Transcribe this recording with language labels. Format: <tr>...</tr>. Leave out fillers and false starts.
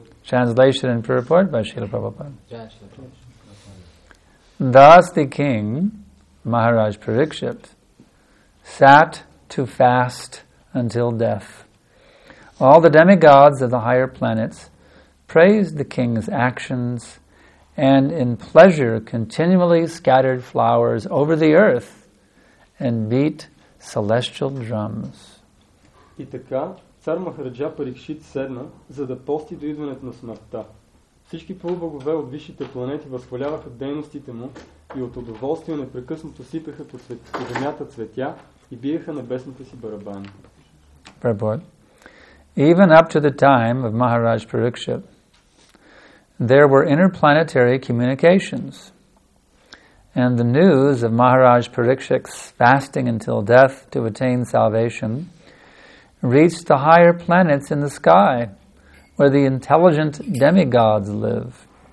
<en>Translation and purport by Srila Prabhupada. Thus the king, Maharaj Parikshit, sat to fast until death. All the demigods of the higher planets praised the king's actions, and in pleasure continually scattered flowers over the earth and beat celestial drums.</en> <bg>И така, цар Махараджа Парикшит седна, за да пости до идването на смъртта. Всички полубогове от висшите планети възхваляваха дейностите му и от удоволствие непрекъснато сипеха по земята цветя и биеха небесните си барабани.</bg> <en>Prabhupada. Even up to the time of Maharaj Parikshit, there were interplanetary communications, and the news of Maharaj Parikshit's fasting until death to attain salvation reached the higher planets in the sky, where the intelligent demigods live.</en>